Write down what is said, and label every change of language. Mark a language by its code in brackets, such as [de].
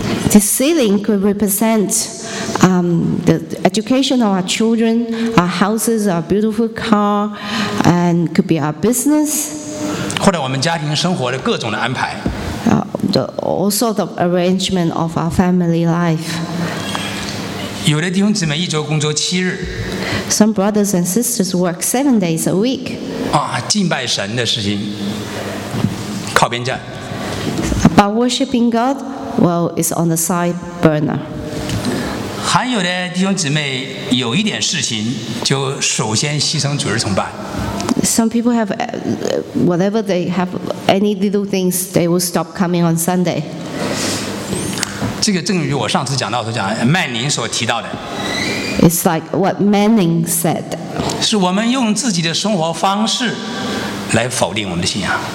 [en] The ceiling could represent, the education of our children, our houses, our beautiful car, and could be our business. [zh] 或者我们家庭生活的各种的安排。 [en] The all sort of arrangement of our family life. [zh] 有的弟兄姊妹一周工作7日。 [en] Some brothers and sisters work 7 days a week. [zh] 啊，敬拜神的事情靠边站。 [en] About worshiping God, well, it's on the side burner. [zh] 还有的弟兄姊妹有一点事情，就首先牺牲主日崇拜。 [en] Some people have whatever they have any little things, they will stop coming on Sunday. [zh] 这个正如我上次讲到所讲曼宁所提到的 [en] It's like what Manning said [zh] 是我们用自己的生活方式来否定我们的信仰